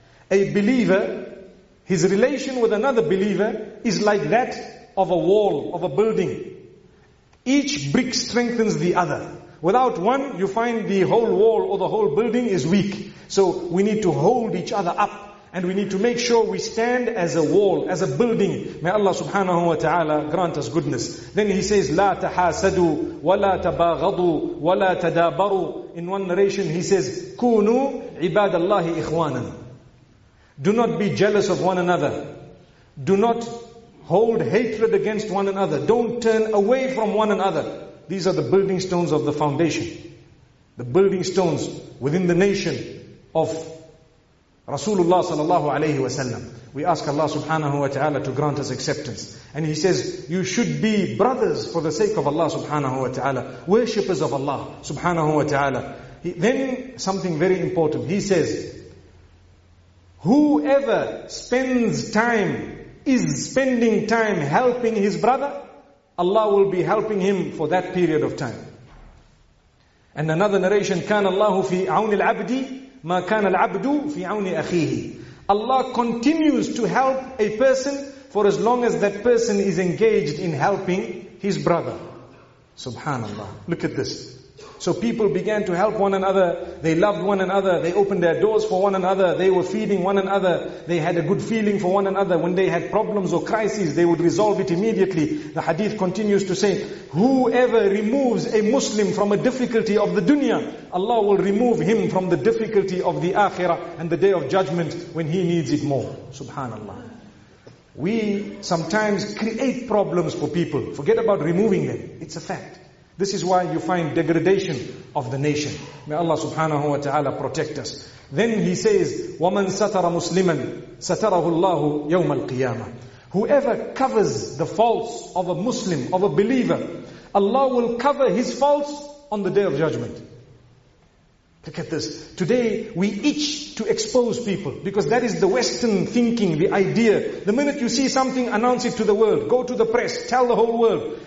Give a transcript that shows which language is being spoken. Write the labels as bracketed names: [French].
[English] A believer, his relation with another believer is like that of a wall, of a building. Each brick strengthens the other. Without one, you find the whole wall or the whole building is weak. So we need to hold each other up, and we need to make sure we stand as a wall, as a building. May Allah subhanahu wa ta'ala grant us goodness. Then he says, [Arabic] لا تحاسدوا ولا تباغضوا ولا تدابروا. [English] In one narration he says, [Arabic] كونوا عباد الله إخوانا. [English] Do not be jealous of one another. Do not hold hatred against one another. Don't turn away from one another. These are the building stones of the foundation. The building stones within the nation of Rasulullah sallallahu alayhi wa sallam. We ask Allah subhanahu wa ta'ala to grant us acceptance. And he says, you should be brothers for the sake of Allah subhanahu wa ta'ala, worshippers of Allah subhanahu wa ta'ala. Then something very important. He says, whoever is spending time helping his brother, Allah will be helping him for that period of time. And another narration, [Arabic] كان الله في عون العبد ما كان العبد في عون أخيه. [English] Allah continues to help a person for as long as that person is engaged in helping his brother. Subhanallah. Look at this. So people began to help one another. They loved one another. They opened their doors for one another. They were feeding one another. They had a good feeling for one another. When they had problems or crises, they would resolve it immediately. The hadith continues to say, whoever removes a Muslim from a difficulty of the dunya, Allah will remove him from the difficulty of the akhirah and the day of judgment when he needs it more. Subhanallah. We sometimes create problems for people. Forget about removing them. It's a fact. This is why you find degradation of the nation. May Allah subhanahu wa ta'ala protect us. Then he says, [Arabic] وَمَنْ سَتَرَ مُسْلِمًا سَتَرَهُ اللَّهُ يَوْمَ الْقِيَامَةِ. [English] Whoever covers the faults of a Muslim, of a believer, Allah will cover his faults on the Day of Judgment. Look at this. Today we itch to expose people, because that is the Western thinking, the idea. The minute you see something, announce it to the world. Go to the press, tell the whole world.